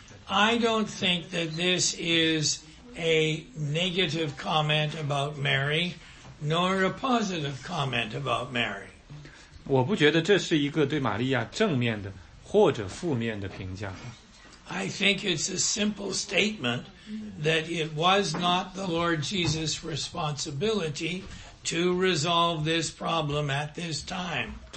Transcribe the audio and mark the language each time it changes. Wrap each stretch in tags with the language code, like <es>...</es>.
<en>I don't think that this is a negative comment about Mary, nor a positive comment about Mary.</en> <zh>我不觉得这是一个对玛利亚正面的或者负面的评价。</zh> <en>I think it's a simple statement that it was not the Lord Jesus' responsibility to resolve this problem at this time.</en>